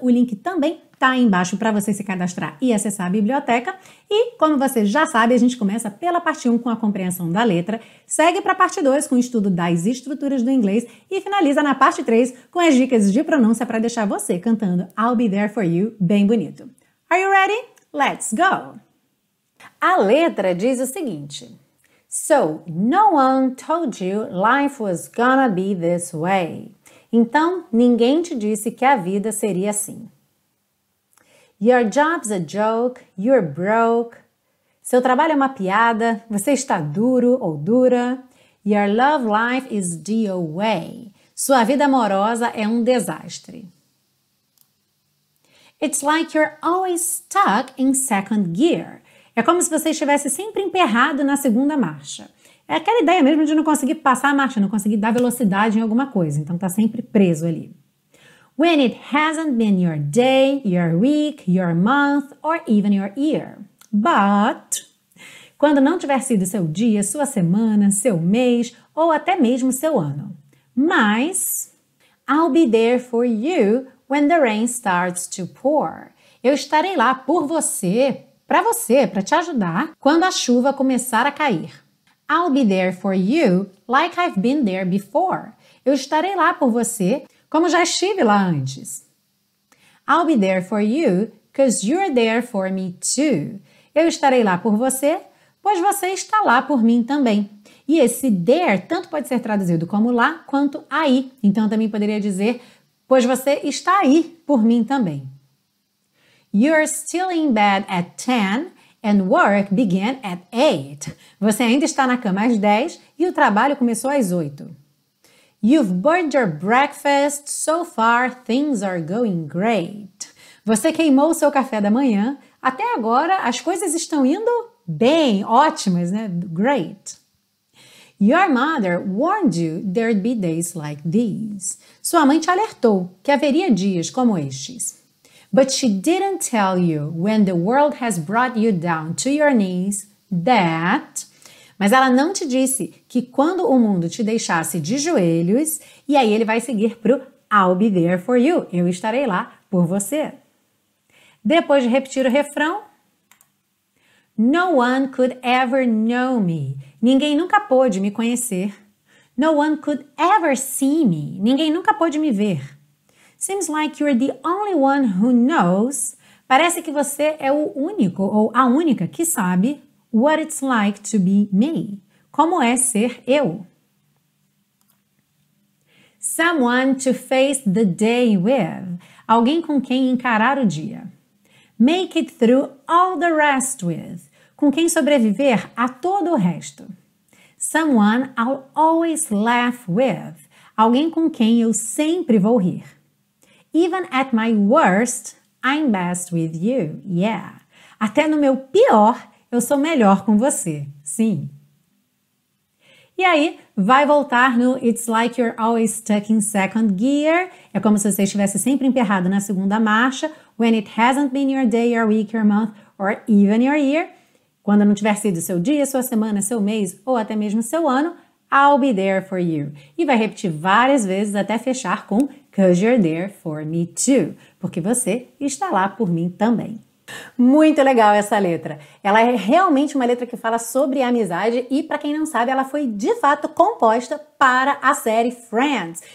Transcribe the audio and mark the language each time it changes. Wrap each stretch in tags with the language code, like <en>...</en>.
<pt>O link também está aí embaixo para você se cadastrar e acessar a biblioteca. E, como você já sabe, a gente começa pela parte 1 com a compreensão da letra, segue para a parte 2 com o estudo das estruturas do inglês e finaliza na parte 3 com as dicas de pronúncia para deixar você cantando I'll Be There For You bem bonito.</pt> <en>Are you ready? Let's go!</en> <pt>A letra diz o seguinte:</pt> <en>So, no one told you life was gonna be this way.</en> <pt>Então, ninguém te disse que a vida seria assim.</pt> <en>Your job's a joke, you're broke.</en> <pt>Seu trabalho é uma piada, você está duro ou dura.</pt> <en>Your love life is DOA.</en> <pt>Sua vida amorosa é um desastre.</pt> <en>It's like you're always stuck in second gear.</en> <pt>É como se você estivesse sempre emperrado na segunda marcha. É aquela ideia mesmo de não conseguir passar a marcha, não conseguir dar velocidade em alguma coisa. Então está sempre preso ali.</pt> <en>When it hasn't been your day, your week, your month, or even your year.</en> <pt>But, quando não tiver sido seu dia, sua semana, seu mês, ou até mesmo seu ano. Mas,</pt> <en>I'll be there for you when the rain starts to pour.</en> <pt>Eu estarei lá por você, para você, para te ajudar, quando a chuva começar a cair.</pt> <en>I'll be there for you like I've been there before.</en> <pt>Eu estarei lá por você, como já estive lá antes.</pt> <en>I'll be there for you, because you're there for me too.</en> <pt>Eu estarei lá por você, pois você está lá por mim também. E esse there tanto pode ser traduzido como lá, quanto aí. Então, eu também poderia dizer, pois você está aí por mim também.</pt> <en>You're still in bed at 10 and work began at 8.</en> <pt>Você ainda está na cama às 10 e o trabalho começou às 8.</pt> <en>You've burned your breakfast, so far things are going great.</en> <pt>Você queimou seu café da manhã, até agora as coisas estão indo bem, ótimas, né?</pt> <en>Great. Your mother warned you there'd be days like these.</en> <pt>Sua mãe te alertou que haveria dias como estes.</pt> <en>But she didn't tell you when the world has brought you down to your knees that...</en> <pt>Mas ela não te disse que quando o mundo te deixasse de joelhos, e aí ele vai seguir para o</pt> <en>I'll be there for you.</en> <pt>Eu estarei lá por você. Depois de repetir o refrão.</pt> <en>No one could ever know me.</en> <pt>Ninguém nunca pôde me conhecer.</pt> <en>No one could ever see me.</en> <pt>Ninguém nunca pôde me ver.</pt> <en>Seems like you're the only one who knows.</en> <pt>Parece que você é o único ou a única que sabe.</pt> <en>What it's like to be me.</en> <pt>Como é ser eu?</pt> <en>Someone to face the day with.</en> <pt>Alguém com quem encarar o dia.</pt> <en>Make it through all the rest with.</en> <pt>Com quem sobreviver a todo o resto.</pt> <en>Someone I'll always laugh with.</en> <pt>Alguém com quem eu sempre vou rir.</pt> <en>Even at my worst, I'm best with you. Yeah.</en> <pt>Até no meu pior, eu sou melhor com você, sim. E aí, vai voltar no</pt> <en>It's like you're always stuck in second gear.</en> <pt>É como se você estivesse sempre emperrado na segunda marcha.</pt> <en>When it hasn't been your day, your week, your month, or even your year.</en> <pt>Quando não tiver sido seu dia, sua semana, seu mês, ou até mesmo seu ano.</pt> <en>I'll be there for you.</en> <pt>E vai repetir várias vezes até fechar com</pt> <en>'cause you're there for me too.</en> <pt>Porque você está lá por mim também. Muito legal essa letra. Ela é realmente uma letra que fala sobre amizade e, para quem não sabe, ela foi de fato composta para a série Friends.</pt>